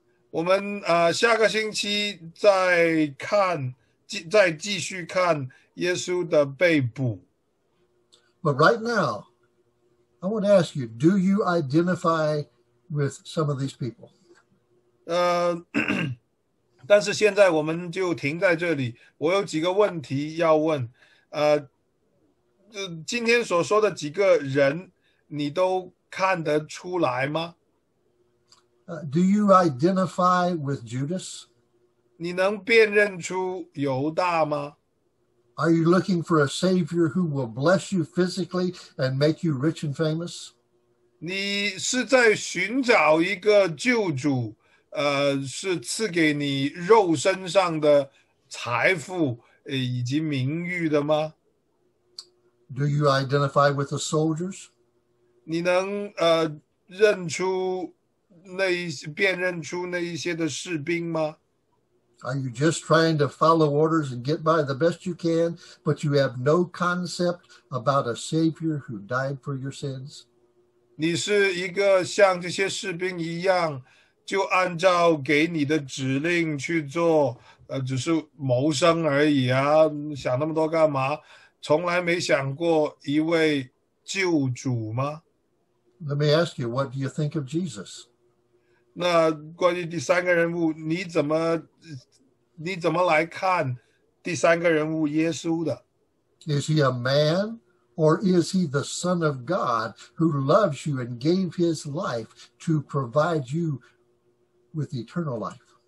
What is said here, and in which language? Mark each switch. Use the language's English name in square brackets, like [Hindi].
[Chinese] 我们下个星期再继续看耶稣的被捕。 [English] But right now, I want to ask you, do you identify with some of these people? [Chinese] 但是现在我们就停在这里。我有几个问题要问。今天所说的几个人，你都看得出来吗？ [English] Do you identify with Judas? [Chinese] 你能辨认出犹大吗？ [English] Are you looking for a savior who will bless you physically and make you rich and famous? [Chinese] 你是在寻找一个救主，是赐给你肉身上的财富，以及名誉的吗？ [English] Do you identify with the soldiers? [Chinese] 你能辨认出那一些的士兵吗？ [English] Are you just trying to follow orders and get by the best you can, but you have no concept about a Savior who died for your sins? [Chinese] 你是一个像这些士兵一样，就按照给你的指令去做，只是谋生而已啊！想那么多干嘛？从来没想过一位救主吗？ [English] Let me ask you, what do you think of Jesus? [Chinese] 那关于第三个人物，你怎么来看第三个人物耶稣的？ [English] Is he a man, or is he the Son of God who loves you and gave his life to provide you with eternal life?